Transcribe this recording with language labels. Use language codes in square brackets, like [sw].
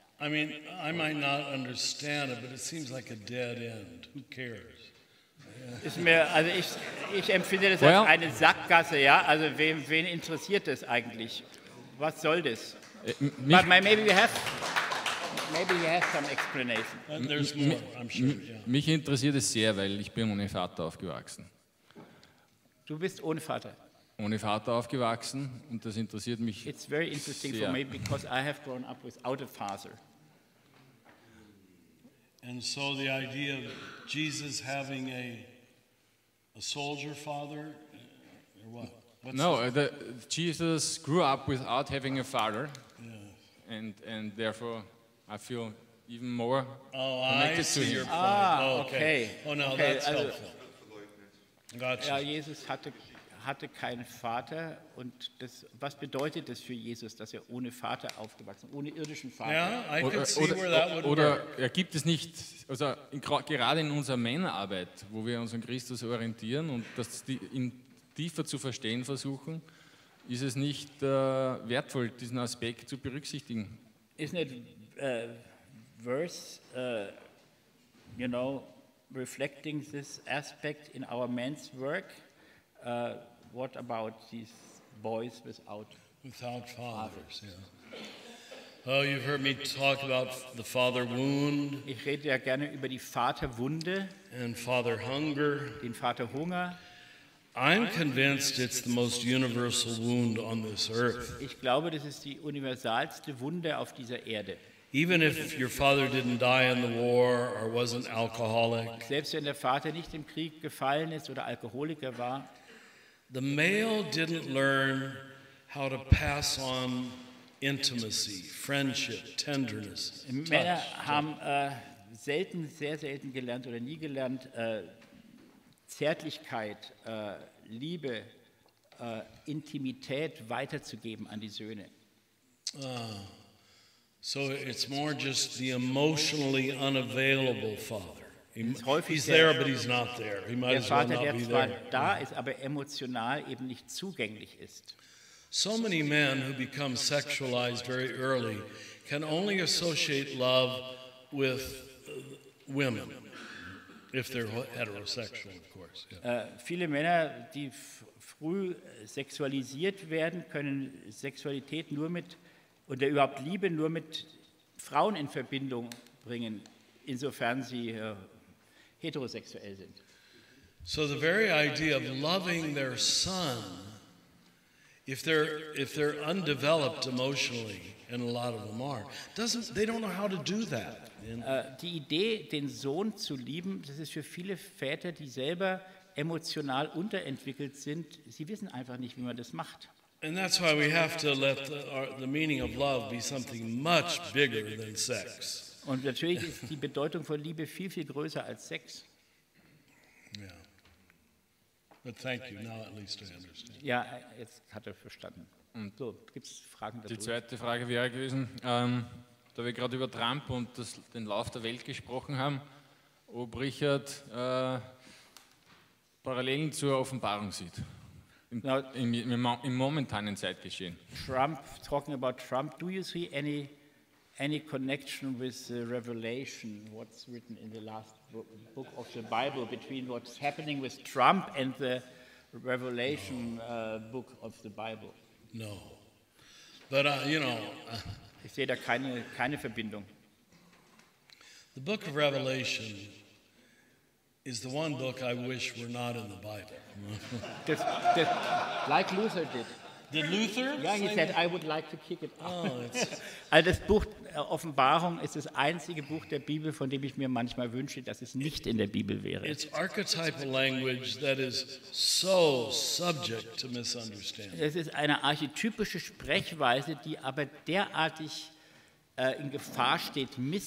[en] I mean, I might not understand it, but it seems like a dead end. Who cares? [de] Ist mir, also ich empfinde das als eine Sackgasse, ja? Also wen interessiert das eigentlich? Was soll das? [en] Maybe we have some explanation. And there's more, I'm sure, yeah. [de] Mich interessiert es sehr, weil ich bin ohne Vater aufgewachsen. Du bist ohne Vater? Ohne Vater aufgewachsen und das interessiert mich sehr. [en] It's very interesting [de] sehr. [en] For me because I have grown up without a father. And so the idea of Jesus having a soldier father, or what? What's no, the Jesus grew up without having a father, yeah. And therefore I feel even more oh, connected I see to him. Your point. Okay. Oh, no, okay. That's helpful. Gotcha. [de] Ja, Jesus hatte keinen Vater und das, was bedeutet das für Jesus, dass er ohne Vater aufgewachsen ist, ohne irdischen Vater? [en] Yeah, [de] oder gibt es nicht, also gerade in unserer Männerarbeit, wo wir uns an Christus orientieren und das ihn tiefer zu verstehen versuchen, ist es nicht wertvoll, diesen Aspekt zu berücksichtigen? [en] Isn't it worth, you know, reflecting this aspect in our men's work? What about these boys without fathers? Yeah. Oh, you've heard me talk about the father wound. [de] Ich rede ja gerne über die Vaterwunde. [en] And father hunger. [de] Den Vaterhunger. [en] I'm convinced it's the most universal wound on this earth. [de] Ich glaube, das ist die universalste Wunde auf dieser Erde. [en] Even if your father didn't die in the war or was an alcoholic. [de] Selbst wenn der Vater nicht im Krieg gefallen ist oder Alkoholiker war. [en] The male didn't learn how to pass on intimacy, friendship, tenderness, touch. [de] Männer haben selten, sehr selten gelernt oder nie gelernt, Zärtlichkeit, Liebe, Intimität weiterzugeben an die Söhne. [en] So it's more just the emotionally unavailable father. He's there, but he's not there. He might as well not be there. [de] Der Vater, der zwar da ist, aber emotional eben nicht zugänglich ist. [en] So many men who become sexualized very early can only associate love with women, if they're heterosexual, of course. [de] Viele Männer, die früh sexualisiert werden, können Sexualität nur mit, oder überhaupt Liebe nur mit Frauen in Verbindung bringen, insofern sie heterosexuell sind. [en] So the very idea of loving their son, if they're undeveloped emotionally, and a lot of them are, they don't know how to do that. [de] Die Idee, den Sohn zu lieben, das ist für viele Väter, die selber emotional unterentwickelt sind, sie wissen einfach nicht, wie man das macht. [en] And that's why we have to let the meaning of love be something much bigger than sex. [de] Und natürlich ist die Bedeutung von Liebe viel, viel größer als Sex. [en] Ja. Yeah. But thank you. Now at least I understand. [de] Ja, jetzt hat er verstanden. Und so, gibt es Fragen dazu? Die zweite Frage wäre gewesen, da wir gerade über Trump und den Lauf der Welt gesprochen haben, ob Richard Parallelen zur Offenbarung sieht. Im momentanen Zeitgeschehen. [en] Trump, talking about Trump, do you see any connection with the revelation, what's written in the last book of the Bible, between what's happening with Trump and the revelation no. Book of the Bible? No. But, you know... [de] Ich sehe da keine Verbindung. [en] The book of Revelation is the one book I wish were not in the Bible. Just like Luther did. Did Luther? Yeah, he said, I would like to kick it out. [de] Also das Buch Offenbarung ist das einzige Buch der Bibel, von dem ich mir manchmal wünsche, dass es nicht in der Bibel wäre. [en] It's archetypal language that is so subject to misunderstanding. [de] Es ist eine archetypische Sprechweise, die aber derartig in Gefahr steht,